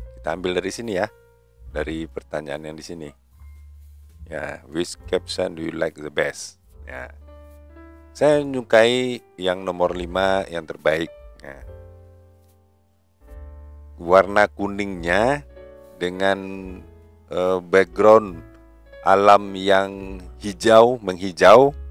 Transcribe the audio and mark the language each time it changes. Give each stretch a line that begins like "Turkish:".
Indonesian: Kita ambil dari sini ya, dari pertanyaan yang di sini.
English: Ya, which caption do you like the best?
Indonesian: Ya, saya menyukai yang nomor 5 yang terbaik. Ya, warna kuningnya dengan background alam yang hijau menghijau.